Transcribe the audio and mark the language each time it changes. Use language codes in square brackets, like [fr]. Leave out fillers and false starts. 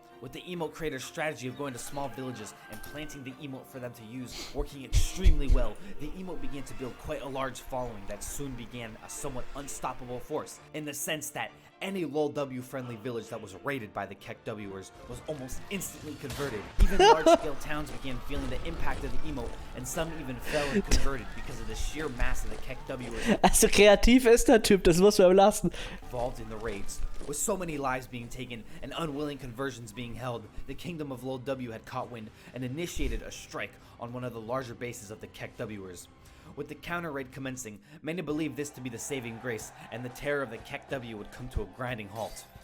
[en] With the emote creator's strategy of going to small villages and planting the emote for them to use working extremely well, the emote began to build quite a large following that soon began a somewhat unstoppable force, in the sense that any Lol W friendly village that was raided by the Kek Wers was almost instantly converted. Even large scale towns began feeling the impact of the emote, and some even fell and converted because of the sheer mass of the Kek Wers. [de] Also kreativ ist der Typ, das muss man lassen. [en] Involved in the raids. With so many lives being taken and unwilling conversions being held, the kingdom of Lol W had caught wind and initiated a strike on one of the larger bases of the Kek Wers. With the counter raid commencing, many believed this to be the saving grace, and the terror of the Kek W would come to a grinding halt.